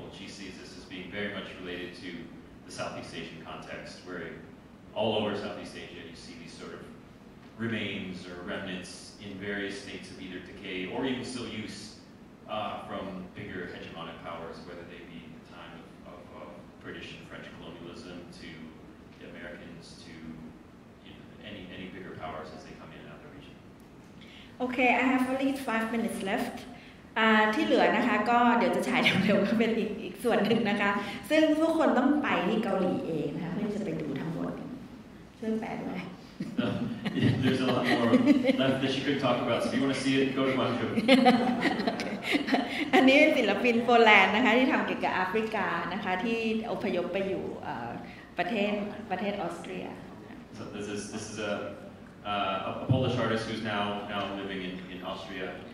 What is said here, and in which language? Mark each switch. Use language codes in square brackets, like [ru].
[en] And she sees this as being very much related to the Southeast Asian context, where all over Southeast Asia you see these sort of remains or remnants in various states of either decay or even still use from bigger hegemonic powers, whether they be the time of British and French colonialism to the Americans to you know, any bigger powers as they come in and out of the region. Okay, I have only 5 minutes left. [th] ที่เหลือนะคะก็เดี๋ยวจะฉายเร็วๆก็เป็นอีกส่วนหนึ่งนะคะซึ่งทุกคนต้องไปที่เกาหลีเองนะคะเพื่อจะไปดูทั้งหมดช่วยแปลด้วย [en] There's a lot more left that she could talk about. So if you want to see it, go to Gwangju. [th] อันนี้ศิลปินโปแลนด์นะคะที่ทำเกี่ยวกับแอฟริกานะคะที่อพยพไปอยู่ประเทศออสเตรีย [en] So this is a Polish artist who's now living in Austria.